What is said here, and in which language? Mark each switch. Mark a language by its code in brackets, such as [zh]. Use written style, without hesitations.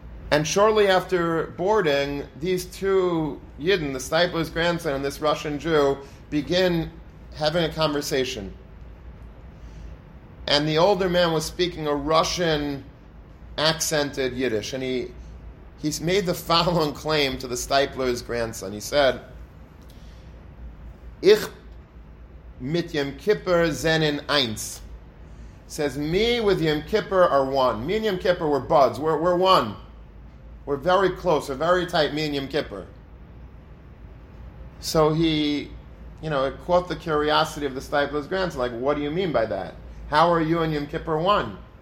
[en] And shortly after boarding, these two Yidden, the Stipler's grandson and this Russian Jew, begin having a conversation. And the older man was speaking a Russian-accented Yiddish. And he's made the following claim to the Stipler's grandson. He said, [yi] Ich mit Yom Kippur zenin eins. [en] Says, me with Yom Kippur are one. Me and Yom Kippur, we're buds. We're one. We're very close. We're very tight, me and Yom Kippur. So he, you know, caught the curiosity of the Stipler's grandson. Like, what do you mean by that? How are you and Yom Kippur one?